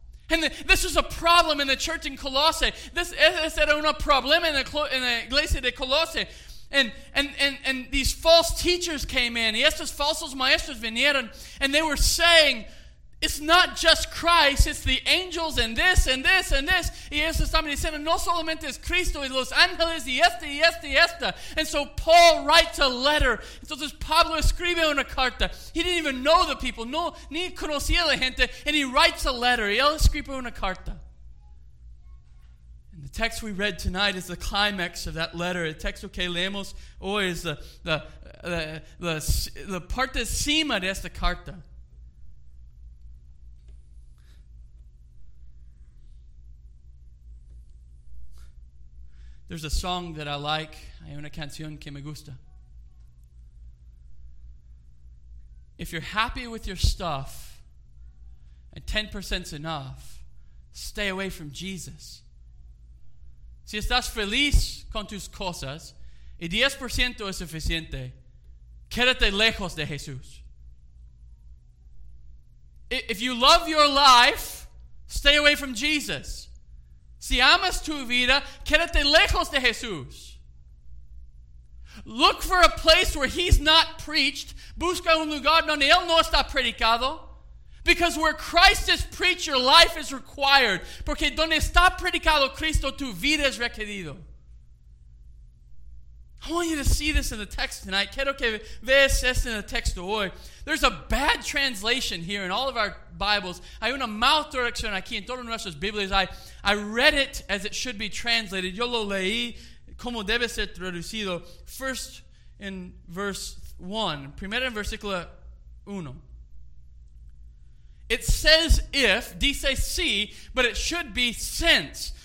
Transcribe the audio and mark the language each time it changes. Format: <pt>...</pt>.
<en>And this was a problem in the church in Colossae. This is a problem in the</en> <es>iglesia de Colossae.</es> <en>And these false teachers came in.</en> <es>Y estos falsos maestros vinieron.</es> <en>And they were saying, it's not just Christ, it's the angels and this and this and this.</en> <es>Y eso también dicen, no solamente es Cristo, es los ángeles y esta y esta y esta.</es> <en>And so Paul writes a letter.</en> <es>Entonces Pablo escribe una carta.</es> <en>He didn't even know the people,</en> <es>no, ni conocía la gente.</es> <en>And he writes a letter.</en> <es>Y él escribe una carta.</es> <en>And the text we read tonight is the climax of that letter.</en> <es>El texto que leemos hoy es the parte cima de esta carta.</es> <en>There's a song that I like.</en> <es>Hay una canción que me gusta.</es> <en>If you're happy with your stuff and 10% is enough, stay away from Jesus.</en> <es>Si estás feliz con tus cosas y 10% es suficiente, quédate lejos de Jesús.</es> <en>If you love your life, stay away from Jesus.</en> <es>Si amas tu vida, quédate lejos de Jesús.</es> <en>Look for a place where he's not preached.</en> <es>Busca un lugar donde él no está predicado.</es> <en>Because where Christ is preached, your life is required.</en> <es>Porque donde está predicado Cristo, tu vida es requerido.</es> <en>I want you to see this in the text tonight.</en> <es>Quiero que veas esto en el texto hoy.</es> <en>There's a bad translation here in all of our Bibles.</en> <es>Hay una mal traducción aquí en todas nuestras Biblias.</es> <en>I read it as it should be translated.</en> <es>Yo lo leí como debe ser traducido.</es> <en>First in verse 1.</en> <es>Primero en versículo 1.</es> <en>It says if,</en> <es>dice si,</es> <en>but it should be since.</en>